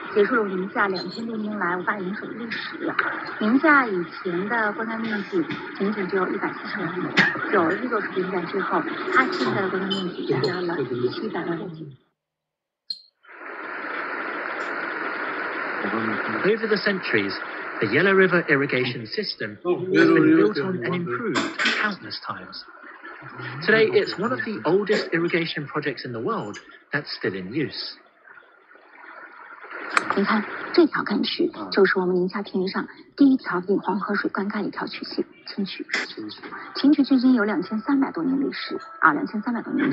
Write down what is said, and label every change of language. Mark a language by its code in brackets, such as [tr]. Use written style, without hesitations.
[zh] 结束了宁夏2000多年来五坝饮水的历史。宁夏以前的灌溉面积仅仅只有140万亩，有了这座水电站之后，它现在的灌溉面积达到了700万亩。 [en] Over the centuries, the Yellow River irrigation system has been built on and improved countless times. Today, it's one of the oldest irrigation projects in the world that's still in use. [zh] 你看，这条干渠就是我们宁夏平原上第一条引黄河水灌溉一条渠系——清渠。清渠距今有2300多年历史啊，2300多年。